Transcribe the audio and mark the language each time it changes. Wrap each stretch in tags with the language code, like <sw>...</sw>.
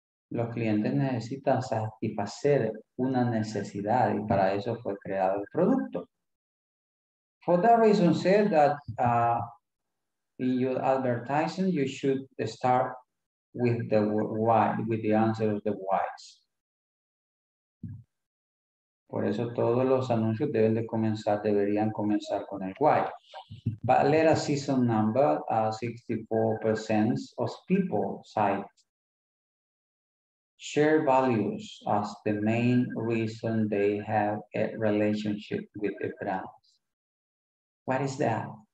<es>Los clientes necesitan satisfacer una necesidad, y para eso fue creado el producto.</es> <en>For that reason, said that in your advertising, you should start with the why, with the answer of the whys.</en> <es>Por eso todos los anuncios deben de comenzar, deberían comenzar con el why.</es> <en>But let us see some number, 64% of people cite share values as the main reason they have a relationship with the brands. What is that?</en>